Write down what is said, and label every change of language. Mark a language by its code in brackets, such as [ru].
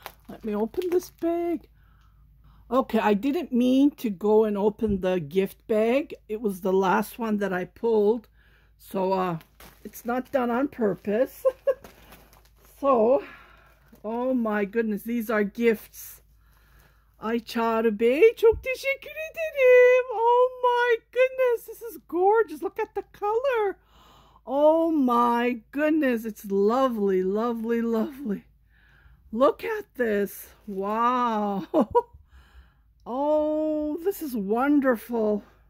[en] Let me open this bag. Okay, I didn't mean to go and open the gift bag. It was the last one that I pulled. So, it's not done on purpose. So, oh my goodness, these are gifts. [tr] Ay Çağrı Bey, çok teşekkür ederim. [en] Oh my goodness, this is gorgeous. Look at the color. Oh my goodness, it's lovely, lovely, lovely. Look at this. Wow. Oh, this is wonderful.